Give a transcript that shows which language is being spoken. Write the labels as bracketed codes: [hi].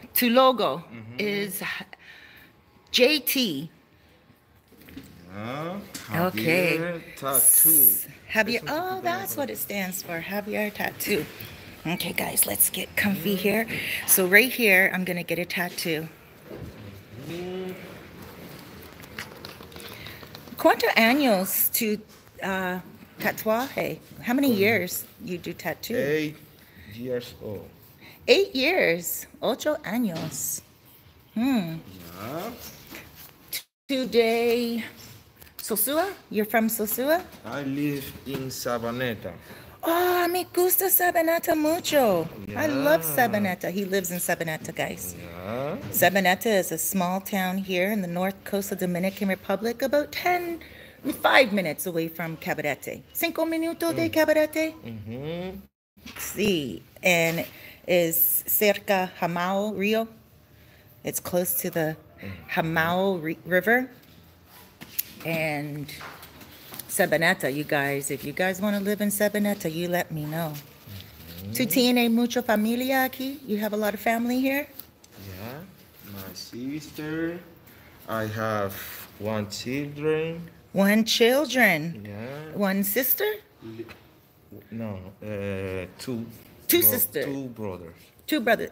[es] Tu [en] logo is JT. Okay. Tattoo. That's what it stands for. Javier tattoo. Okay, guys, let's get comfy here. So right here, I'm going to get a tattoo. [es] ¿Cuántos años tu tatuaje? [en] How many years you do tattoo? 8 years old. 8 years. [es] 8 años. [en] Today, Sosua? You're from Sosua? I live in Sabaneta. Oh, [es] me gusta Sabaneta mucho. [en] Yeah. I love Sabaneta. He lives in Sabaneta, guys. Yeah. Sabaneta is a small town here in the north coast of Dominican Republic, about 5 minutes away from Cabarete. [es] Cinco minutos de Cabarete? Mm-hmm. Sí. [en] And is cerca Jamao Rio. It's close to the Jamao River. And Sabaneta, you guys, if you guys want to live in Sabaneta, you let me know. [es] ¿Tú tienes mucha familia aquí? [en] You have a lot of family here? Yeah, my sister, I have one children. Yeah. One sister? No, two. Sisters. Two brothers,